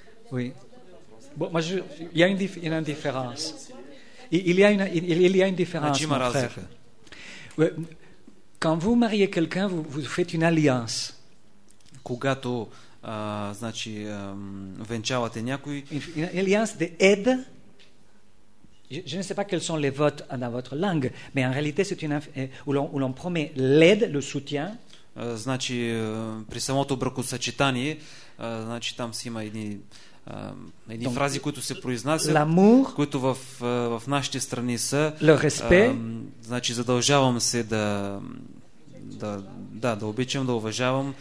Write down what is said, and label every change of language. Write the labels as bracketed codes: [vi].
[fr] Oui. Bon, moi, il y a une différence. Il y a une différence, mon frère. Oui. Quand vous mariez quelqu'un, vous faites une alliance. [bg] Когато, значи, венчавате някой. [fr] Une alliance d'aide. Je ne sais pas quels sont les votes dans votre langue, mais en réalité, c'est une où l'on promet l'aide, le soutien. [bg] Значи, при самото бракосъчетание, значи там си има едни Donc, фрази, които се произнасят, [fr] l'amour, [bg] които в нашите страни са [fr] le respect, [bg] значи задължавам се да обичам, да уважавам